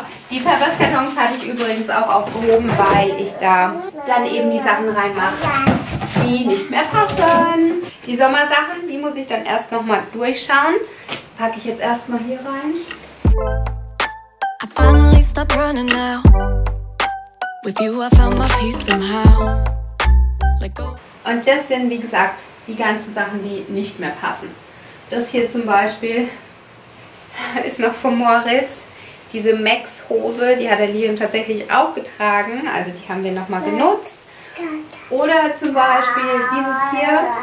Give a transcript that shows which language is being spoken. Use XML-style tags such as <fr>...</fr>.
<de>Die Pampers-Kartons hatte ich übrigens auch aufgehoben, weil ich da dann eben die Sachen reinmache, die nicht mehr passen. Die Sommersachen, die muss ich dann erst nochmal durchschauen. Packe ich jetzt erstmal hier rein.</de> <en>I finally stop running now. With you I found my peace somehow.</en> <de>Und das sind, wie gesagt, die ganzen Sachen, die nicht mehr passen. Das hier zum Beispiel ist noch von Moritz. Diese Max-Hose, die hat er Liam tatsächlich auch getragen. Also die haben wir nochmal genutzt. Oder zum Beispiel dieses hier.</de>